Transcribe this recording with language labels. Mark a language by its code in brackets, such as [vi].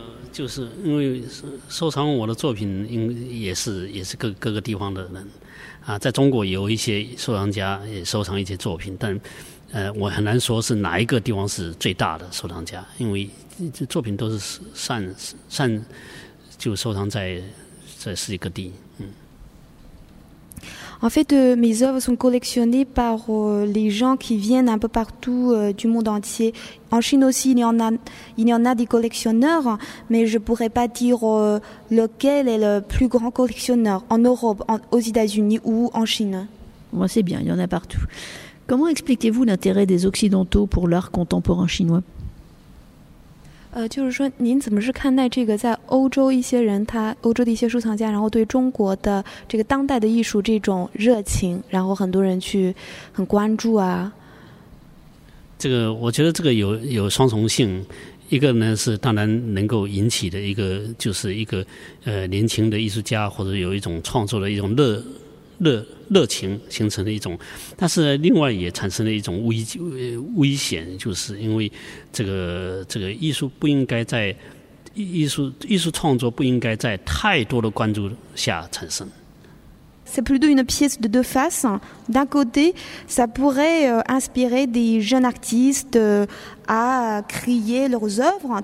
[zh] 就是因为收藏我的作品，也是各个地方的人啊，在中国有一些收藏家也收藏一些作品，但我很难说是哪一个地方是最大的收藏家，因为这作品都是算就收藏在世界各地。 [fr] En fait, mes œuvres sont collectionnées par les gens qui viennent un peu partout du monde entier. En Chine aussi, il y en a des collectionneurs, mais je ne pourrais pas dire lequel est le plus grand collectionneur en Europe, aux États-Unis ou en Chine. Moi, c'est bien, il y en a partout. Comment expliquez-vous l'intérêt des Occidentaux pour l'art contemporain chinois ? [zh] 就是说，您怎么是看待这个在欧洲一些人，他欧洲的一些收藏家，然后对中国的这个当代的艺术这种热情，然后很多人去很关注啊？这个我觉得这个有双重性，一个呢是当然能够引起的一个就是一个年轻的艺术家或者有一种创作的一种热情形成了一种，但是另外也产生了一种危险，就是因为这个艺术不应该在艺术创作不应该在太多的关注下产生。 [fr] C'est plutôt une pièce de deux faces. D'un côté, ça pourrait inspirer des jeunes artistes à créer leurs œuvres.